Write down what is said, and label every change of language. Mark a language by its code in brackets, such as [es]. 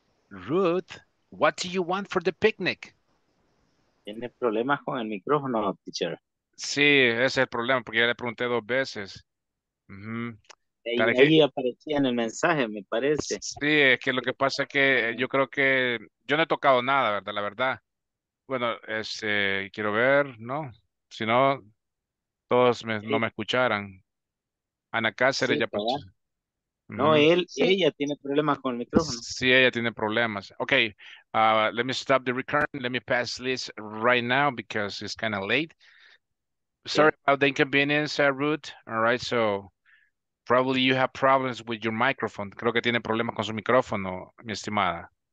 [en] Ruth, what do you want for the picnic? [es] Tiene problemas con el micrófono, teacher. Sí, ese es el problema, porque ya le pregunté dos veces. Ahí aparecía en el mensaje, me parece. Sí, es que lo que pasa es que yo creo que yo no he tocado nada, ¿verdad? La verdad. Bueno, quiero ver, ¿no? Si no, todos no me escucharan. Ana Cáceres, sí, ya pasó. No, él, sí. Ella tiene problemas con el micrófono. Sí, ella tiene problemas. [en] Okay, let me stop the recording. Let me pass this right now because it's kind of late. Sorry about the inconvenience, Ruth. All right, so probably you have problems with your microphone. [es] Creo que tiene problemas con su micrófono, mi estimada.